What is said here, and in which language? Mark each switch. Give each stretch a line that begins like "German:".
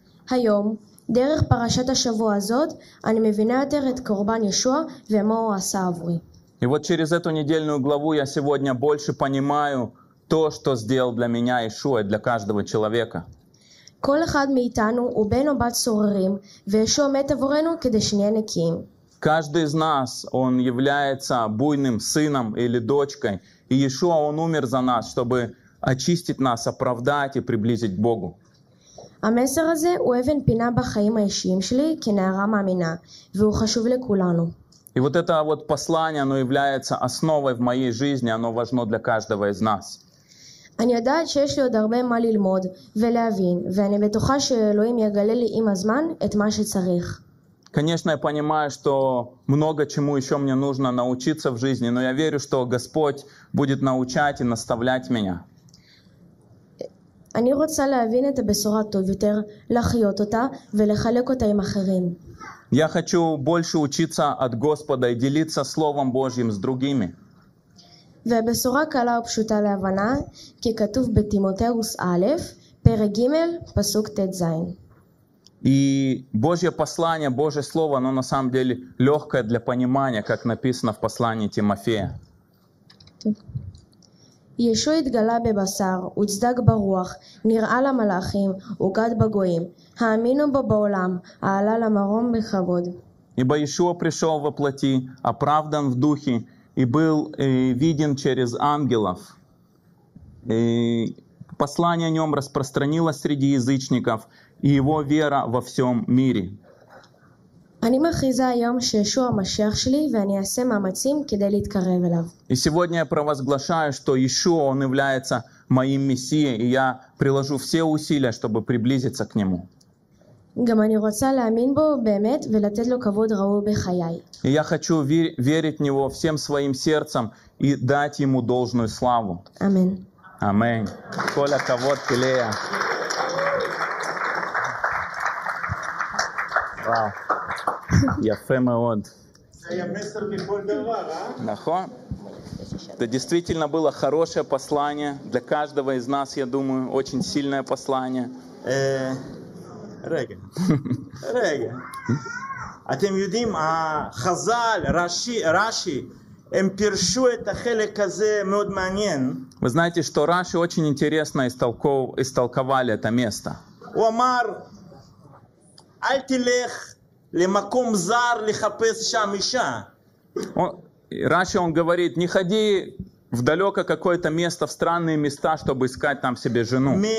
Hebrew: היום, דרך פרשת השבוע הזאת, אני מבינה יותר את קורבן ישוע ומה הוא עשה עבורי.
Russian: И вот через эту недельную главу я сегодня больше понимаю то, что сделал для меня Иешуа, для каждого человека.
Hebrew: כל אחד מאיתנו הוא בן או בת סוררים, וישוע מת עבורנו כדי שנהיה נקיים.
Russian: Каждый из нас, он является буйным сыном или дочкой, и Иешуа, он умер за нас, чтобы очистить нас, оправдать и приблизить к Богу.
Hebrew: המסר הזה הוא אבן פינה בחיים האישיים שלי כנערה מאמינה, והוא חשוב לכולנו.
Russian: И вот это вот послание, оно является основой в моей жизни, оно важно для каждого из нас.
Hebrew: אני יודעת שיש לי עוד הרבה מה ללמוד ולהבין, ואני בטוחה שאלוהים יגלה לי עם הזמן את מה שצריך.
Russian: Конечно, я понимаю, что много чему еще мне нужно научиться в жизни, но я верю, что Господь будет научать и наставлять меня.
Hebrew: אני רוצה להבין את הבשורה טוב יותר, לחיות אותה ולחלק אותה עם אחרים.
Russian: Я хочу больше учиться от Господа и делиться Словом Божьим с другими.
Hebrew: והבשורה קלה ופשוטה להבנה, כי כתוב בתימותאוס א', פרק ג', פסוק ט"ז.
Russian: И Божье послание, Божье слово, оно на самом деле легкое для понимания, как написано в послании Тимофея.
Hebrew: ישוע התגלה בבשר, הוצדק ברוח, נראה למלאכים, הוגד בגויים, האמינו בו בעולם, עלה למרום בכבוד.
Russian: Ибо Иешуа пришел во плоти, оправдан в духе, и был виден через ангелов. И послание о нем распространилось среди язычников, и его вера во всем мире. И сегодня я провозглашаю, что Иешуа, он является моим мессией, и я приложу все усилия, чтобы приблизиться к нему.
Hebrew: גם אני רוצה להאמין בו באמת ולתת לו כבוד ראוי בחיי.
Russian: Я хочу верить в него всем своим сердцем и дать ему должную славу. Амен. Амен.
Hebrew: Коля, כבוד, Келея. Вау. Яфе מאוד.
Russian: Нахон. Это действительно было хорошее послание для каждого из нас, я думаю, очень сильное послание.
Hebrew: רגע, אתם יודעים, החז"ל, רש"י, הם פירשו את החלק הזה מאוד מעניין.
Russian: Вы знаете, что Раши очень интересно истолковали это место.
Hebrew: הוא אמר, אל תלך למקום זר לחפש שם אישה.
Russian: Раши, он говорит, не ходи в далеко какое-то место, в странные места, чтобы искать там себе жену.